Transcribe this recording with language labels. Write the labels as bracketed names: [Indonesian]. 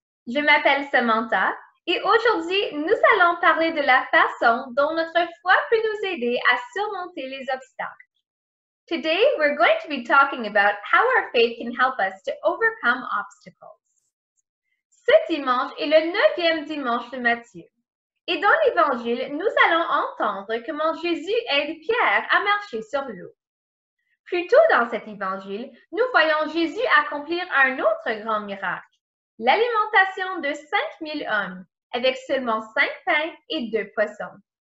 [French] Je m'appelle Samantha, et aujourd'hui, nous allons parler de la façon dont notre foi peut nous aider à surmonter les obstacles. [English] Today, we're going to be talking about how our faith can help us to overcome obstacles. [French] Ce dimanche est le 9e dimanche de Matthieu, et dans l'Évangile, nous allons entendre comment Jésus aide Pierre à marcher sur l'eau. Plus tôt dans cet évangile, nous voyons Jésus accomplir un autre grand miracle, l'alimentation de 5000 hommes avec seulement 5 pains et 2 poissons.